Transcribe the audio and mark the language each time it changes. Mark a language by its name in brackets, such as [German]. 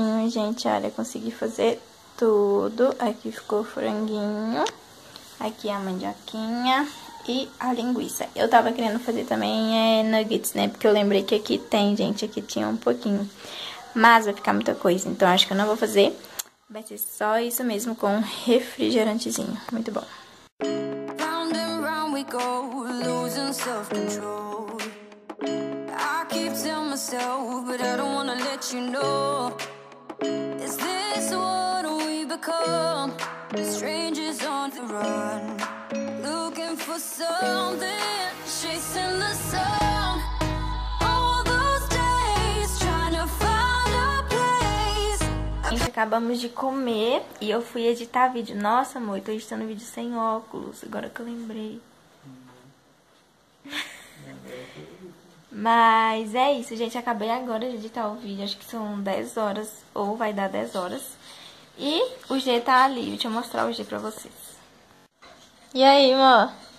[Portuguese] Gente, olha, consegui fazer tudo. Aqui ficou o franguinho, aqui a mandioquinha e a linguiça. Eu tava querendo fazer também nuggets, né? Porque eu lembrei que aqui tem, gente, aqui tinha um pouquinho. Mas vai ficar muita coisa, então acho que eu não vou fazer. Vai ser só isso mesmo com um refrigerantezinho. Muito bom. [English] Round and round we go, losing self-control. I keep telling myself, but I don't wanna let you know. Is this what we become? Strangers on the run, looking for something, chasing the sun. All those days, trying to find a place. [Portuguese] Gente, acabamos de comer e eu fui editar vídeo. Nossa, amor, eu tô editando vídeo sem óculos, agora que eu lembrei. Mas é isso, gente, acabei agora de editar o vídeo, acho que são 10 horas, ou vai dar 10 horas. E o G tá ali, deixa eu mostrar o G pra vocês. E aí, amor?